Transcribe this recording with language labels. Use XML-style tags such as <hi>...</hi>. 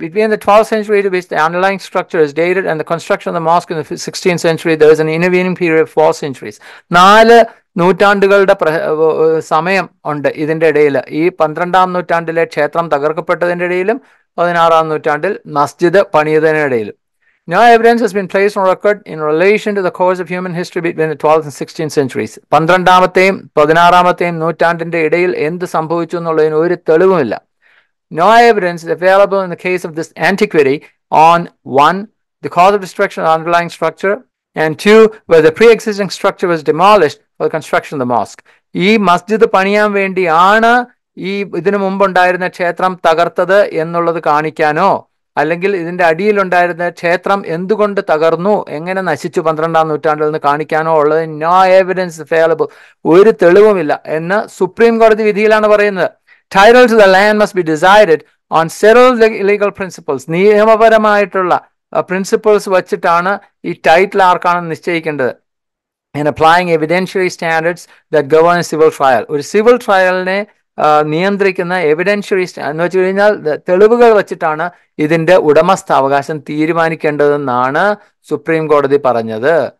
<en>Between the 12th century to ബിസ് the underlying structure is dated and the construction of the mosque in the 16th century there is an intervening period 4 centuries.</en> <ml>4 നൂറ്റാണ്ടുകളുടെ സമയം ഉണ്ട് ഇതിൻ്റെ ഇടയിൽ. ഈ 12-ാം നൂറ്റാണ്ടിലെ ക്ഷേത്രം തകർക്കപ്പെട്ടതിൻ്റെ ഇടയിലും 16-ാം നൂറ്റാണ്ടിൽ മസ്ജിദ് പണിയതിനിടയിലും.</ml> <en>No evidence has been placed on record in relation to the course of human history between the 12th and 16th centuries.</en> <ml>12-ാമത്തെയും 16-ാമത്തെയും നൂറ്റാണ്ടിൻ്റെ ഇടയിൽ എന്ത് സംഭവിച്ചു എന്നുള്ളതിന് ഒരു തെളിവുമില്ല.</ml> <en>No evidence is available in the case of this antiquity on 1. The cause of destruction of the underlying structure and 2. Whether the pre-existing structure was demolished for the construction of the mosque.</en> <ml>ഈ മസ്ജിദ് പണിയാൻ വേണ്ടിയാണ് ഈ ഇതിനു മുമ്പുണ്ടായിരുന്ന ക്ഷേത്രം തകർത്തത് എന്നുള്ളത് കാണിക്കാനോ, അല്ലെങ്കിൽ ഇതിൻ്റെ അടിയിലുണ്ടായിരുന്ന ക്ഷേത്രം എന്തുകൊണ്ട് തകർന്നു, എങ്ങനെ നശിച്ചു 12-ാം നൂറ്റാണ്ടിൽ നിന്ന് കാണിക്കാനോ ഉള്ളത്</ml> <en>No evidence available,</en> <ml>ഒരു തെളിവുമില്ല എന്ന് സുപ്രീം കോടതി വിധിയിലാണ് പറയുന്നത്.</ml> <en>Title to the land must be decided on several legal principles.</en> <ml>നിയമപരമായിട്ടുള്ള പ്രിൻസിപ്പിൾസ് വച്ചിട്ടാണ് ഈ ടൈറ്റിൽ ആർക്കാണ് നിശ്ചയിക്കേണ്ടത്.</ml> <en>And applying evidentiary standards that govern a civil trial.</en> <ml>ഒരു സിവിൽ ട്രയലിനെ നിയന്ത്രിക്കുന്ന എവിഡൻഷ്യറി എന്ന് വെച്ച് കഴിഞ്ഞാൽ തെളിവുകൾ വെച്ചിട്ടാണ് ഇതിൻ്റെ ഉടമസ്ഥാവകാശം തീരുമാനിക്കേണ്ടതെന്നാണ് സുപ്രീം കോടതി പറഞ്ഞത്.</ml>